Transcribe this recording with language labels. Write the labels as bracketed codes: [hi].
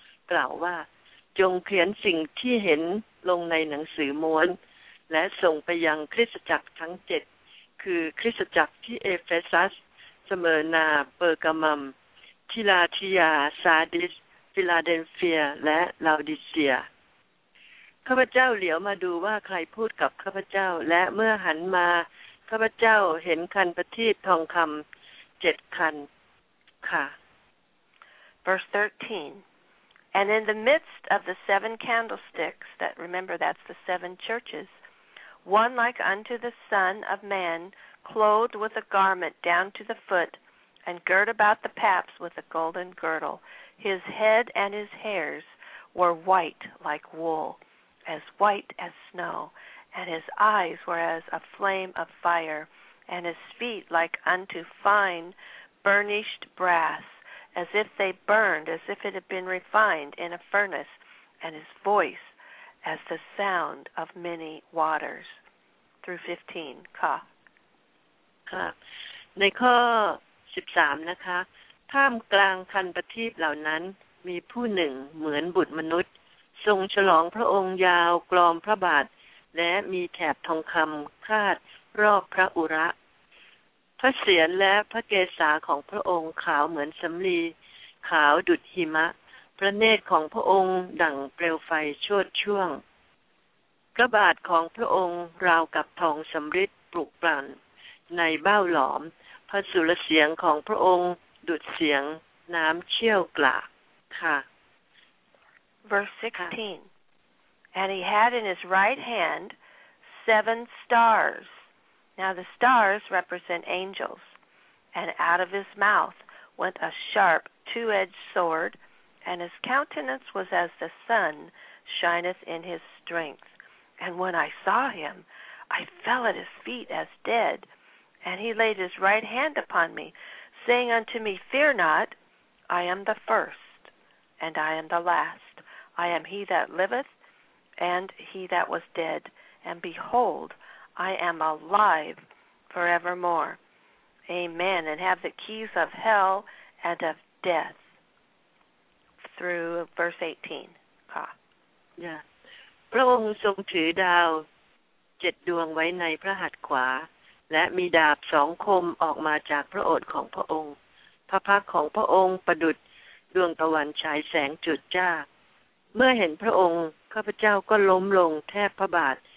[th] กล่าวว่าจงเขียนสิ่งที่เห็นลงในหนังสือม้วนและส่งไปยังคริสตจักรทั้ง7คือคริสตจักรที่เอเฟซัสสเมอร์นาเปอร์กามัมทิลาทิยาซาดิสฟิลาเดลเฟียและลาวดิเซียข้าพเจ้าเหลียวมาดูว่าใครพูดกับข้าพเจ้าและเมื่อหันมาข้าพเจ้าเห็นคันประทีปทองคำ7คันค่ะ [en] Verse 13 And in the midst of the seven candlesticks that remember that's the seven churches one like unto the son of man clothed with a garment down to the foot and girt about the paps with a golden girdleHis head and his hairs were white like wool, as white as snow, and his eyes were as a flame of fire, and his feet like unto fine burnished brass, as if they burned, as if it had been refined in a furnace, and his voice as the sound of many waters. Through 15, Ka. Ka. [th] ในข้อ 13 นะคะท่ามกลางคันประทีปเหล่านั้นมีผู้หนึ่งเหมือนบุตรมนุษย์ทรงฉลองพระองค์ยาวกลอมพระบาทและมีแถบทองคำคาดรอบพระอุระพระเศียรและพระเกศาของพระองค์ขาวเหมือนสำลีขาวดุจหิมะพระเนตรของพระองค์ดั่งเปลวไฟโชติช่วง พระบาทของพระองค์ราวกับทองสำริดปลุกปลั่นในเบ้าหลอมพระสุรเสียงของพระองค์ดุดเสียงน้ำเชี่ยวกลากค่ะ [en] Verse 16 And he had in his right hand seven stars. Now the stars represent angels. And out of his mouth went a sharp two-edged sword, and his countenance was as the sun shineth in his strength. And when I saw him, I fell at his feet as dead. And he laid his right hand upon me, saying unto me, Fear not, I am the first, and I am the last. I am he that liveth, and he that was dead. And behold, I am alive forevermore. Amen. And have the keys of hell and of death. Through verse 18. Ka. Yeah. [th] พระองค์ทรงถือดาว7ดวงไว้ในพระหัตถ์ขวาและมีดาบ2คมออกมาจากพระโอษฐ์ของพระองค์พระพักของพระองค์ประดุจดวงตะวันฉายแสงจุดจ้าเมื่อเห็นพระองค์ข้าพเจ้าก็ล้มลงแทบพระบาท